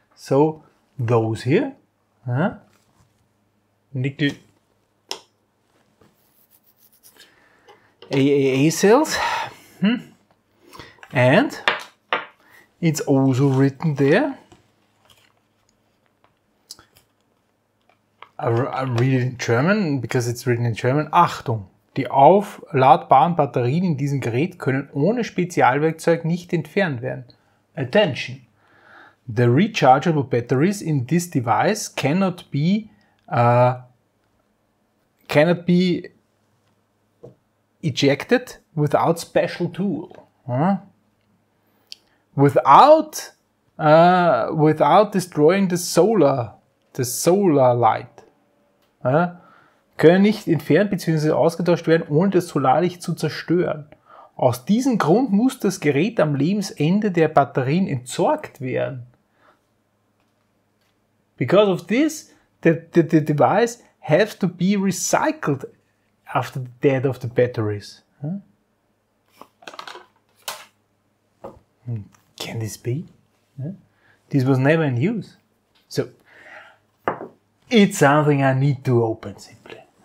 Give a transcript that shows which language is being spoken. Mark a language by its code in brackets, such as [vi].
[en] So those here, nickel AAA cells. And it's also written there. I read it in German, because it's written in German. [de] Achtung! Die aufladbaren Batterien in diesem Gerät können ohne Spezialwerkzeug nicht entfernt werden. [en] Attention! The rechargeable batteries in this device cannot be ejected without special tool. Without destroying the solar light. [de] Können nicht entfernt bzw. ausgetauscht werden, ohne das Solarlicht zu zerstören. Aus diesem Grund muss das Gerät am Lebensende der Batterien entsorgt werden. [en] Because of this, the device has to be recycled after the death of the batteries. Can this be? This was never in use. So, it's something I need to open simply.